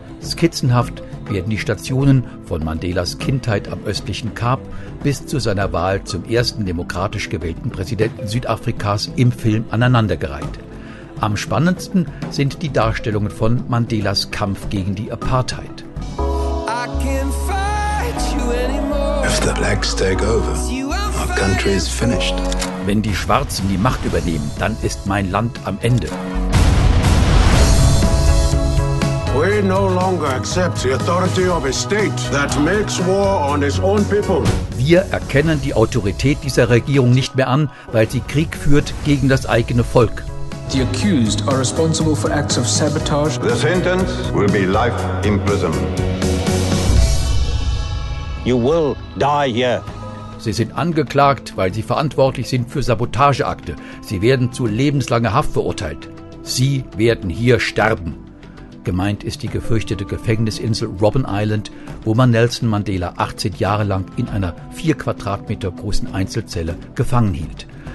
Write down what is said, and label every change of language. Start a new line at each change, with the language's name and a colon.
German: Skizzenhaft werden die Stationen von Mandelas Kindheit am östlichen Kap bis zu seiner Wahl zum ersten demokratisch gewählten Präsidenten Südafrikas im Film aneinandergereiht. Am spannendsten sind die Darstellungen von Mandelas Kampf gegen die Apartheid.
English: If the blacks take over, our country is finished.
German: Wenn die Schwarzen die Macht übernehmen, dann ist mein Land am Ende.
English: We no longer accept the authority of a state that makes war on its own people.
German: Wir erkennen die Autorität dieser Regierung nicht mehr an, weil sie Krieg führt gegen das eigene Volk.
English: The accused are responsible for acts of sabotage. The sentence will be life in prison. You will die here.
German: Sie sind angeklagt, weil sie verantwortlich sind für Sabotageakte. Sie werden zu lebenslanger Haft verurteilt. Sie werden hier sterben. Gemeint ist die gefürchtete Gefängnisinsel Robben Island, wo man Nelson Mandela 18 Jahre lang in einer 4 Quadratmeter großen Einzelzelle gefangen hielt.